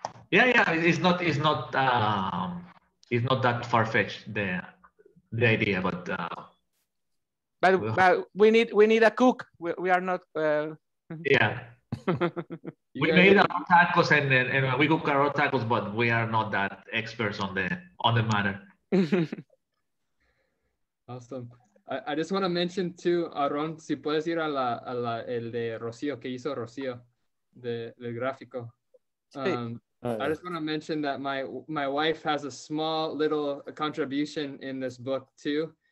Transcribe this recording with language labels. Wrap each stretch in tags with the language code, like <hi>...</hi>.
<en>Yeah, it's not that far-fetched, the idea, but. But we need a cook. We are not. Yeah. We made our tacos and we cook our own tacos, but we are not that experts on the matter. Awesome. I just want to mention too,</en> <es>Aaron, si puedes ir a la el de Rocío, que hizo Rocío, del gráfico.</es> <en>I just want to mention that my wife has a small little contribution in this book too.</en>